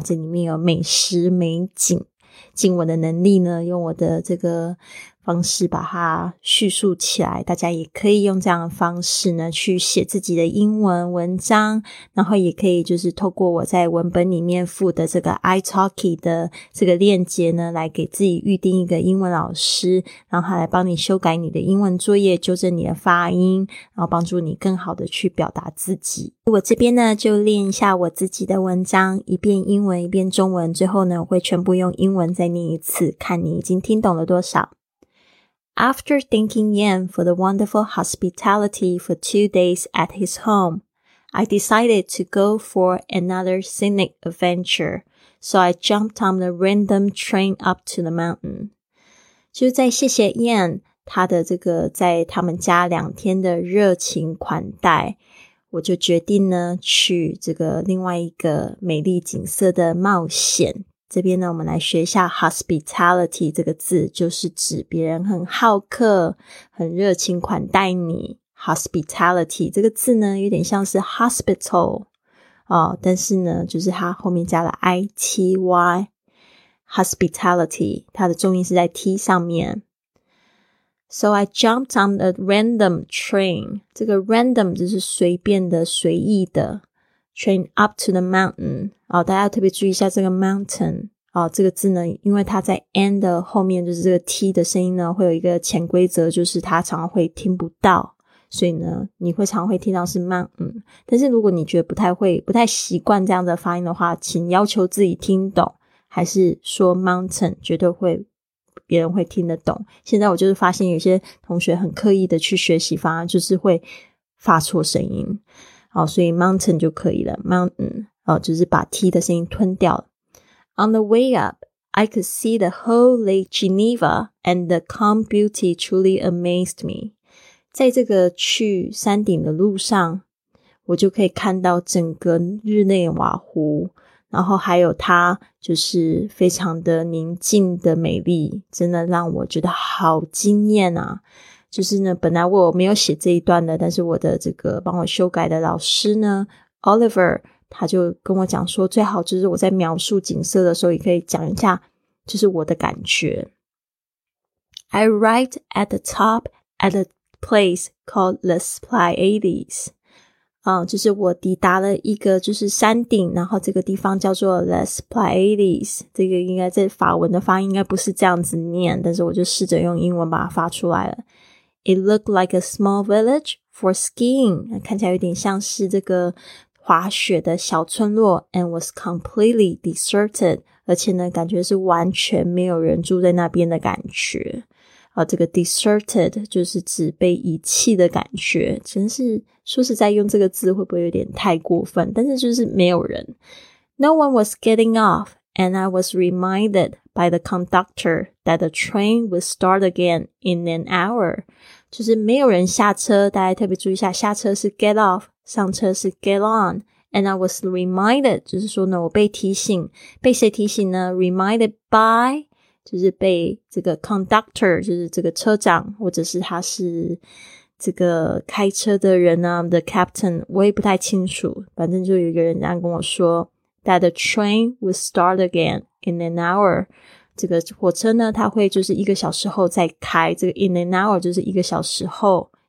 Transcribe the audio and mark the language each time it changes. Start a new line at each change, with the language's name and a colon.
Chinese: 这里面有美食美景，尽我的能力呢用我的这个方式把它叙述起来，大家也可以用这样的方式呢去写自己的英文文章，然后也可以就是透过我在文本里面附的这个 iTalki 的这个链接呢，来给自己预定一个英文老师，然后来帮你修改你的英文作业，纠正你的发音，然后帮助你更好的去表达自己。我这边呢就练一下我自己的文章，一遍英文一遍中文，最后呢我会全部用英文再念一次，看你已经听懂了多少。
English: After thanking Yan for the wonderful hospitality for 2 days at his home, I decided to go for another scenic adventure, so I jumped on the random train up to the mountain.
Chinese: 就在谢谢 Yan 他的这个在他们家两天的热情款待，我就决定呢去这个另外一个美丽景色的冒险。这边呢我们来学一下 hospitality 这个字，就是指别人很好客，很热情款待你。 hospitality 这个字呢有点像是 hospital 哦，但是呢就是它后面加了 ity， hospitality, 它的重音是在 T 上面。
English: So I jumped on a random train.
Chinese: 这个 random 就是随便的、随意的。
English: Train up to the mountain.
Chinese: 哦，大家要特别注意一下这个 mountain。哦，这个字呢，因为它在 N 的后面，就是这个 T 的声音呢，会有一个潜规则，就是它常常会听不到。所以呢，你会常会听到是 mountain。但是如果你觉得不太习惯这样的发音的话，请要求自己听懂，还是说 mountain 绝对会别人会听得懂。现在我就是发现有些同学很刻意的去学习，反而就是会发错声音。好，所以 mountain 就可以了， mountain 哦，就是把 T 的声音吞掉了。
English: On the way up, I could see the whole Lake Geneva and the calm beauty truly amazed me.
Chinese: 在这个去山顶的路上，我就可以看到整个日内瓦湖，然后还有它就是非常的宁静的美丽，真的让我觉得好惊艳啊。就是呢，本来我没有写这一段的，但是我的这个帮我修改的老师呢 Oliver 他就跟我讲说，最好就是我在描述景色的时候也可以讲一下就是我的感觉。 I arrived at the top at a place called Les Pleiades、就是我抵达了一个就是山顶，然后这个地方叫做 Les Pleiades。这个应该在法文的发音应该不是这样子念，但是我就试着用英文把它发出来了。
English: It looked like a small village for skiing.
Chinese: 看起来有点像是这个滑雪的小村落， and was completely deserted. 而且呢，感觉是完全没有人住在那边的感觉。这个 deserted 就是指被遗弃的感觉。真是，说实在用这个字会不会有点太过分？但是就是没有人。
English: No one was getting off, and I was reminded by the conductor that the train would start again in an hour.
Chinese: 就是没有人下车，大家特别注意一下，下车是 get off, 上车是 get on. And I was reminded, 就是说呢，我被提醒，被谁提醒呢？ Reminded by, 就是被这个 conductor, 就是这个车长，或者是他是这个开车的人啊， the captain, 我也不太清楚，反正就有一个人这样跟我说， that the train would start againin an hour, 这个火车呢，它会就是一个小时后再开，这个 in an hour 就是一个小时后。